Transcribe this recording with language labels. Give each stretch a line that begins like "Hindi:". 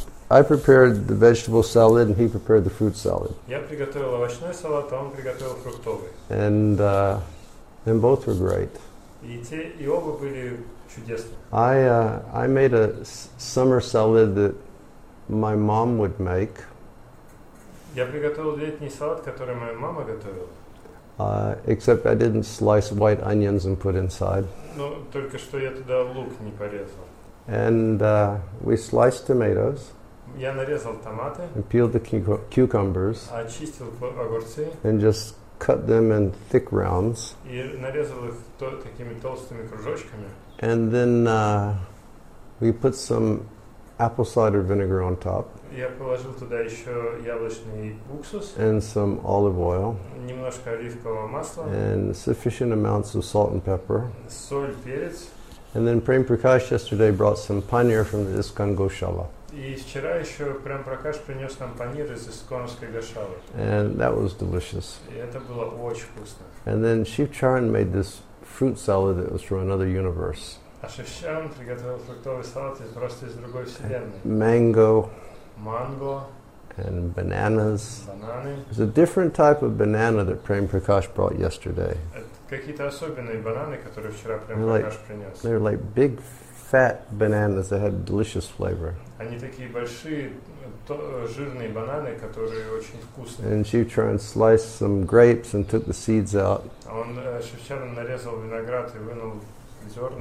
English: I prepared the vegetable salad and he prepared the fruit salad.
Russian: Я приготовил овощной салат, а он приготовил фруктовый.
English: And both were great.
Russian: И оба были чудесны.
English: I made a summer salad that my mom would make.
Russian: Я приготовил летний салат, который моя мама готовила.
English: Except I didn't slice white onions and put inside.
Russian: Но только что я туда лук не порезал.
English: And we sliced tomatoes.
Russian: Я нарезал томаты.
English: And peeled the cucumbers.
Russian: Очистил огурцы.
English: And just cut them in thick rounds.
Russian: И нарезал их такими толстыми кружочками.
English: And then we put some apple cider vinegar on top.
Russian: Я положил туда еще яблочный уксус.
English: And some olive oil.
Russian: Немножко оливкового масла.
English: And sufficient amounts of salt and pepper.
Russian: Соль, перец.
English: And then Prem Prakash yesterday brought some paneer from the ISKCON Goshala.
Russian: И вчера еще Прем Пракаш принес нам панир из Исконской Гошалы.
English: And that was delicious.
Russian: И это было очень вкусно.
English: And then Shiv Charan made this fruit salad that was from another universe.
Russian: А Шив Чаран приготовил фруктовый салат просто из другой вселенной.
English: Mango.
Russian: Манго.
English: And bananas.
Russian: Бананы.
English: It was a different type of banana that Prem Prakash brought yesterday.
Russian: Это какие-то особенные бананы, которые вчера Прем Пракаш принес.
English: They're like big fat bananas that had delicious flavor.
Russian: Они такие большие, жирные бананы, которые очень вкусные.
English: And Shiv Charan sliced some grapes and took the seeds out.
Russian: Он Шив Чаран нарезал виноград и вынул зерна.